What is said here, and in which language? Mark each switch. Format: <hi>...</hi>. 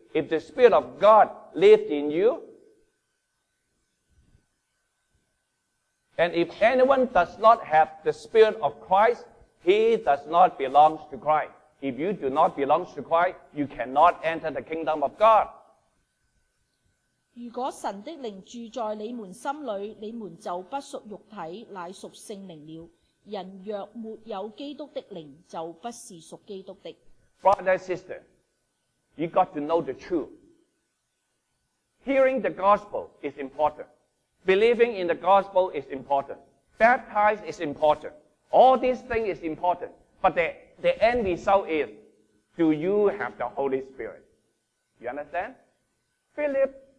<en>If the Spirit of God lives in you, and if anyone does not have the Spirit of Christ, he does not belong to Christ. If you do not belong to Christ, you cannot enter the kingdom of God.</en> <zh>如果神的灵住在你们心里，你们就不属肉体，乃属圣灵了。人若没有基督的灵，就不是属基督的。</zh> <en>Brother, sister, you got to know the truth. Hearing the gospel is important. Believing in the gospel is important. Baptized is important. All these things is important. But the end result is, do you have the Holy Spirit? You understand? Philip.</en>